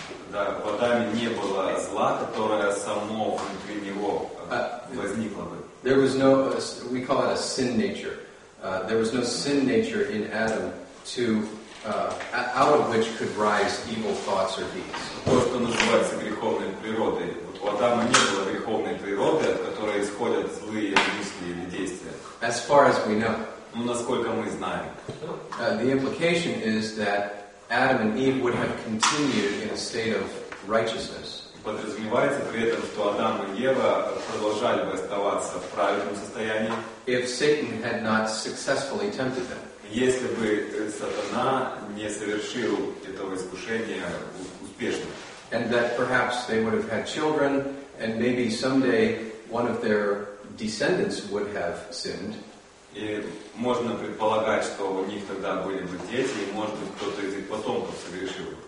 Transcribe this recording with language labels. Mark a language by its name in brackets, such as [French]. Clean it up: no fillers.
[Russian] Да, в Адаме не было зла, которое само внутри него возникло бы. [English] There was no, we call it a sin nature. There was no sin nature in Adam to out of which could rise evil thoughts or deeds. [Russian] То, что называется греховной природой, вот у Адама не было греховной природы, от которой исходят злые мысли или действия. [English] As far as we know. [Russian] Ну, насколько мы знаем. [English] The implication is that Adam and Eve would have continued in a state of righteousness. [Russian] Подразумевается при этом, что Адам и Ева продолжали бы оставаться в праведном состоянии. [English] If Satan had not successfully tempted them. [Russian] Если бы Сатана не совершил этого искушения успешно. [English] And that perhaps they would have had children, and maybe someday one of their descendants would have sinned. [Russian] И можно предполагать, что у них тогда были бы дети, и может быть кто-то из их потомков согрешил.